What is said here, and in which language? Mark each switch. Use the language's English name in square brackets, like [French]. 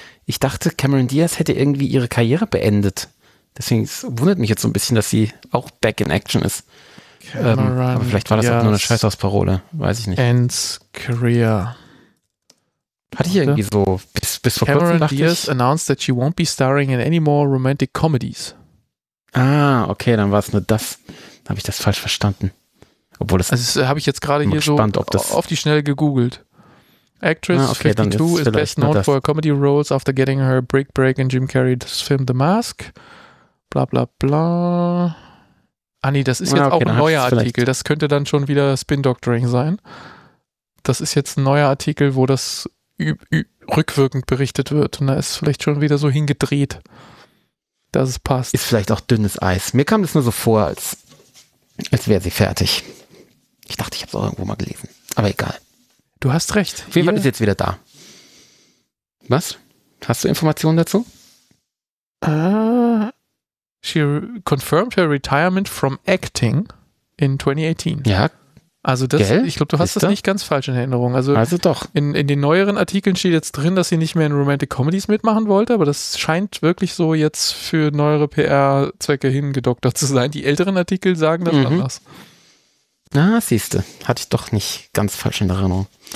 [German] Ich dachte, Cameron Diaz hätte irgendwie ihre Karriere beendet. Deswegen wundert mich jetzt so ein bisschen, dass sie auch Back in Action ist. Aber vielleicht war das auch nur eine Scheißhausparole, weiß ich nicht. [English] Ends career. [German] Hatte ich irgendwie so, bis vor Cameron kurzem dachte Diaz ich. [English] Cameron Diaz announced that she won't be starring in any more romantic comedies. [German] Ah, okay, dann war es nur das. Dann habe ich das falsch verstanden. Obwohl das. Also habe ich jetzt gerade hier gespannt, so auf die Schnelle gegoogelt. [English] Actress, ah, okay, 52, ist best known for comedy roles after getting her big break in Jim Carrey's film The Mask. [German] Bla bla bla. Ah nee, das ist jetzt auch ein neuer Artikel. Das könnte dann schon wieder Spin-Doctoring sein. Das ist jetzt ein neuer Artikel, wo das rückwirkend berichtet wird. Und da ist vielleicht schon wieder so hingedreht, dass es passt. Ist vielleicht auch dünnes Eis. Mir kam das nur so vor, als wäre sie fertig. Ich dachte, ich habe es auch irgendwo mal gelesen. Aber egal. Du hast recht. Auf jeden Fall ist jetzt wieder da. Was? Hast du Informationen dazu? [English] She confirmed her retirement from acting in 2018. [German] Ja. Also das, ich glaube, du hast das nicht ganz falsch in Erinnerung. Also doch. In den neueren Artikeln steht jetzt drin, dass sie nicht mehr in Romantic Comedies mitmachen wollte, aber das scheint wirklich so jetzt für neuere PR-Zwecke hingedoktert zu sein. Die älteren Artikel sagen das anders. Na, siehste, hatte ich doch nicht ganz falsch in Erinnerung.